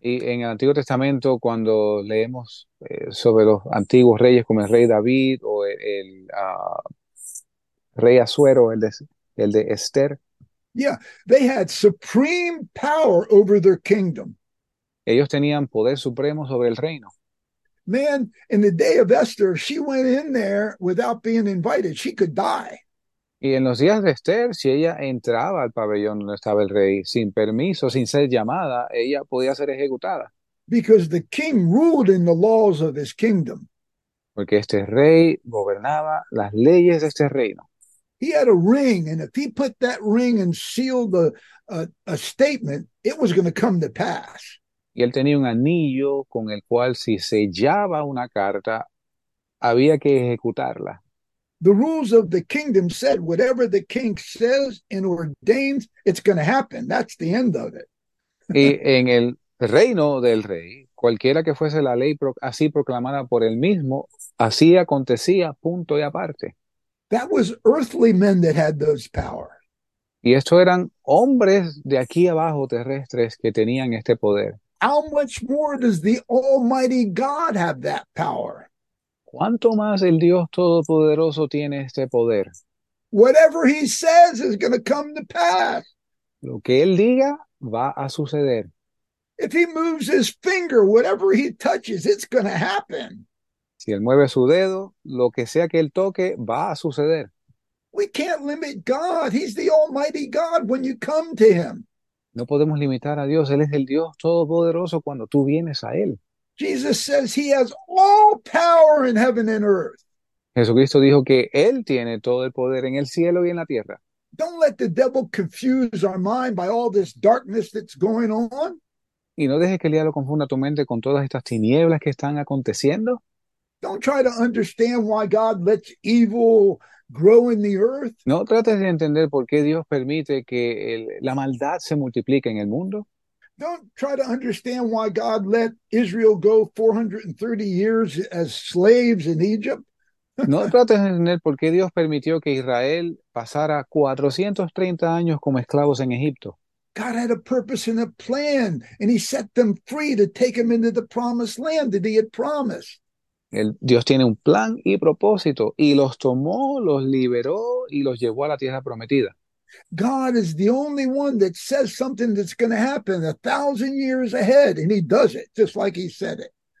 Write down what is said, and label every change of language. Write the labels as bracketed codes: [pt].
[es] y en el Antiguo Testamento, cuando leemos sobre los antiguos reyes como el rey David o el rey Asuero, el de Esther, [en] yeah, they had supreme power over their kingdom. [es] Ellos tenían poder supremo sobre el reino. [en] Man, in the day of Esther, she went in there without being invited. She could die. [es] Y en los días de Esther, si ella entraba al pabellón donde estaba el rey sin permiso, sin ser llamada, ella podía ser ejecutada. [en] Because the king ruled in the laws of his kingdom. [es] Porque este rey gobernaba las leyes de este reino. [en] He had a ring, and if he put that ring and sealed a statement, it was going to come to pass. [es] Y él tenía un anillo con el cual si sellaba una carta, había que ejecutarla. [en] The rules of the kingdom said whatever the king says and ordains, it's going to happen. That's the end of it. [es] Y en el reino del rey, cualquiera que fuese la ley así proclamada por él mismo, así acontecía, punto y aparte. [en] That was earthly men that had those power. [es] Y estos eran hombres de aquí abajo terrestres que tenían este poder. [en] How much more does the Almighty God have that power? [es] ¿Cuánto más el Dios Todopoderoso tiene este poder? [en] Whatever he says is going to come to pass. [es] Lo que él diga va a suceder. [en] If he moves his finger, whatever he touches, it's going to happen. [es] Si él mueve su dedo, lo que sea que él toque va a suceder. [en] We can't limit God. He's the Almighty God when you come to him. [es] No podemos limitar a Dios. Él es el Dios Todopoderoso cuando tú vienes a él. [en] Jesus says he has all power in heaven and earth. [es] Jesucristo dijo que él tiene todo el poder en el cielo y en la tierra. [en] Don't let the devil confuse our mind by all this darkness that's going on. [es] Y no dejes que el diablo confunda tu mente con todas estas tinieblas que están aconteciendo. [en] Don't try to understand why God lets evil grow in the earth. [es] No trates de entender por qué Dios permite que la maldad se multiplique en el mundo. [en] Don't try to understand why God let Israel go 430 years as slaves in Egypt. [es] No trates de entender por qué Dios permitió que Israel pasara 430 años como esclavos en Egipto. [en] God had a purpose and a plan, and he set them free to take them into the promised land that he had promised. [es] Dios tiene un plan y propósito, y los tomó, los liberó y los llevó a la tierra prometida. [en] God is the only one that says something that's going to happen 1,000 years ahead, and he does it just like he said it.